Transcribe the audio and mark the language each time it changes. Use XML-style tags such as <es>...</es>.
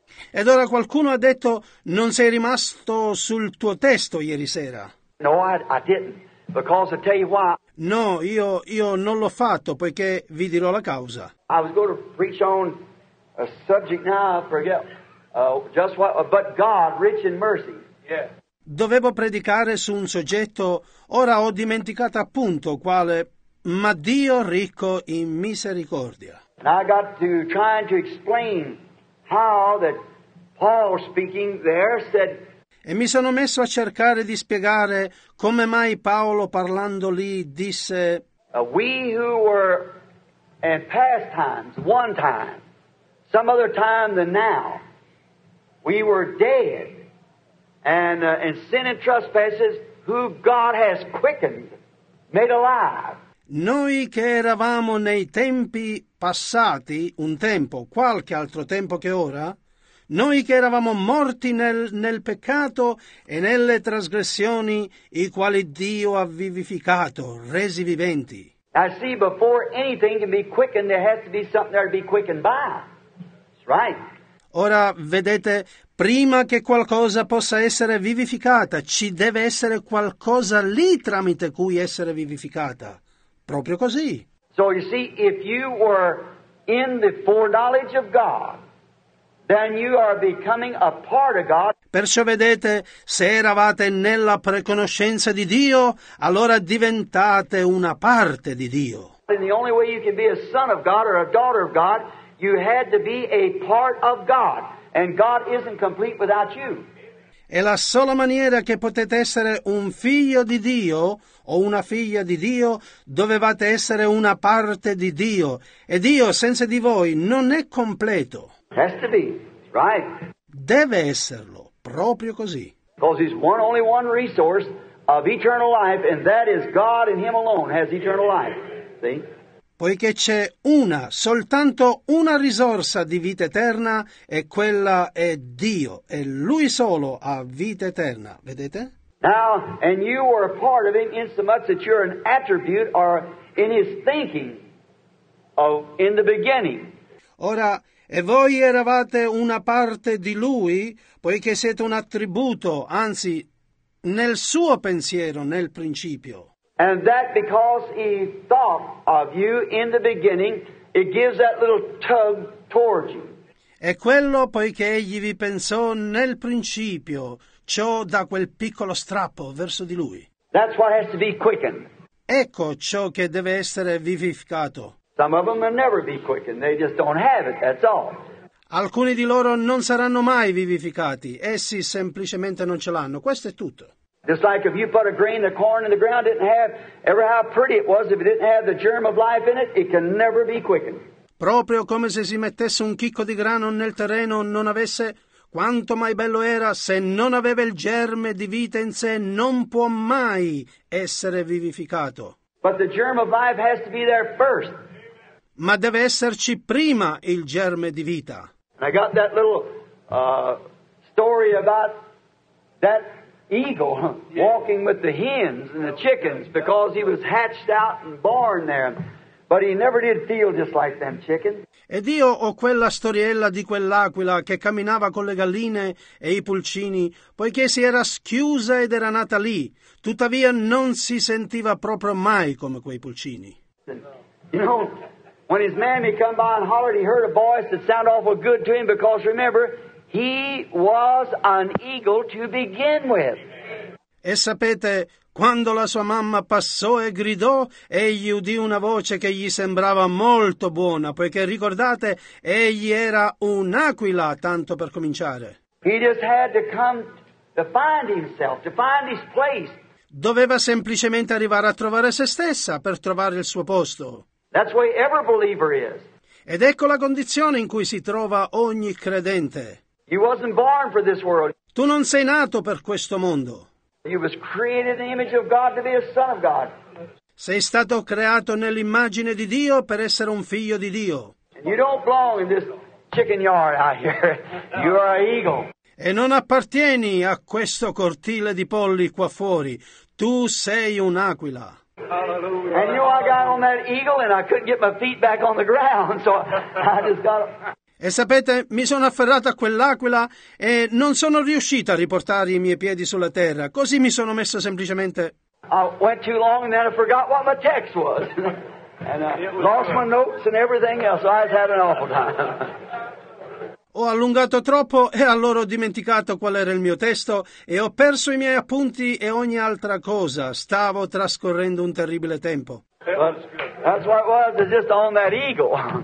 <it>Ed ora qualcuno ha detto, non sei rimasto sul tuo testo ieri sera.</it> <en>No, I didn't, because I tell you why.</en> <it>No, io non l'ho fatto, poiché vi dirò la causa.</it> <en>I was going to preach on a subject now, I forget, just what, but God, rich in mercy. Yeah.</en> <it>Dovevo predicare su un soggetto, ora ho dimenticato appunto quale, ma Dio ricco in misericordia.</it> <en>Now I got to trying to explain how that Paul speaking there said.</en> <it>E mi sono messo a cercare di spiegare come mai Paolo parlando lì disse.</it> <en>We who were in past times, one time, some other time than now, we were dead, and in sin and trespasses, who God has quickened, made alive.</en> <it>Noi che eravamo nei tempi passati, un tempo, qualche altro tempo che ora, noi che eravamo morti nel peccato e nelle trasgressioni, i quali Dio ha vivificato, resi viventi.</it> <en>I see, before anything can be quickened, there has to be something there to be quickened by. That's right.</en> <it>Ora, vedete, prima che qualcosa possa essere vivificata, ci deve essere qualcosa lì tramite cui essere vivificata. Proprio così.</it> <en>So you see, if you were in the foreknowledge of God, then you are becoming a part of God.</en> <it>Perciò vedete, se eravate nella preconoscenza di Dio, allora diventate una parte di Dio.</it> <en>And the only way you can be a son of God or a daughter of God, you had to be a part of God, and God isn't complete without you.</en> <it>E la sola maniera che potete essere un figlio di Dio o una figlia di Dio, dovevate essere una parte di Dio. E Dio senza di voi non è completo.</it> <en>Has to be, right.</en> <it>Deve esserlo, proprio così.</it> <en>Because he's one only one resource of eternal life, and that is God, and him alone has eternal life. See?</en> <it>Poiché c'è una, soltanto una risorsa di vita eterna, e quella è Dio, e Lui solo ha vita eterna, vedete?</it> <en>Now, and you were a part of him in so much that you're an attribute or in his thinking of in the beginning.</en> <it>Ora, e voi eravate una parte di Lui, poiché siete un attributo, anzi, nel suo pensiero, nel principio.</it> <en>And that because he thought of you in the beginning, it gives that little tug towards you.</en> <it>E quello poiché egli vi pensò nel principio, ciò dà quel piccolo strappo verso di lui.</it> <en>That's what has to be quickened.</en> <it>Ecco ciò che deve essere vivificato.</it> <en>Some of them will never be quickened. They just don't have it, that's all.</en> <it>Alcuni di loro non saranno mai vivificati, essi semplicemente non ce l'hanno. Questo è tutto.</it> <en>Just like if you put a grain of corn in the ground, didn't have ever how pretty it was, if it didn't have the germ of life in it, it can never be quickened.</en> <it>Proprio come se si mettesse un chicco di grano nel terreno, non avesse quanto mai bello era, se non aveva il germe di vita in sé, non può mai essere vivificato.</it> <en>But the germ of life has to be there first.</en> <it>Ma deve esserci prima il germe di vita.</it> <en>And I got that little story about that eagle walking with the hens and the chickens because he was hatched out and born there. But he never did feel just like them chickens.</en> <it>Ed io ho quella storiella di quell'aquila che camminava con le galline e i pulcini, poiché si era schiusa ed era nata lì. Tuttavia non si sentiva proprio mai come quei pulcini.</it> <en>You know, when his mammy come by and hollered, he heard a voice that sounded awful good to him because remember, he was an eagle to begin with.</en> <it>E sapete, quando la sua mamma passò e gridò, egli udì una voce che gli sembrava molto buona, poiché ricordate, egli era un'aquila, tanto per cominciare.</it> <en>He just had to come to find himself, to find his place.</en> <it>Doveva semplicemente arrivare a trovare se stessa per trovare il suo posto.</it> <en>That's where every believer is.</en> <it>Ed ecco la condizione in cui si trova ogni credente.</it> <en>He wasn't born for this world.</en> <it>Tu non sei nato per questo mondo.</it> <en>He was created in the image of God to be a son of God.</en> <it>Sei stato creato nell'immagine di Dio per essere un figlio di Dio.</it> <en>And you don't belong in this chicken yard out here. You are an eagle.</en> <it>E non appartieni a questo cortile di polli qua fuori. Tu sei un'aquila.</it> <en>Hallelujah. And you know, I got on that eagle and I couldn't get my feet back on the ground, so I just got.</en> <it>E sapete, mi sono afferrato a quell'aquila e non sono riuscito a riportare i miei piedi sulla terra. Così mi sono messo semplicemente.</it> <en>I went too long and then I forgot what my text was. And lost my notes and everything else. So I had an awful time.</en> <it>Ho allungato troppo e allora ho dimenticato qual era il mio testo e ho perso i miei appunti e ogni altra cosa. Stavo trascorrendo un terribile tempo.</it> <en>That's what it was, just on that eagle.</en>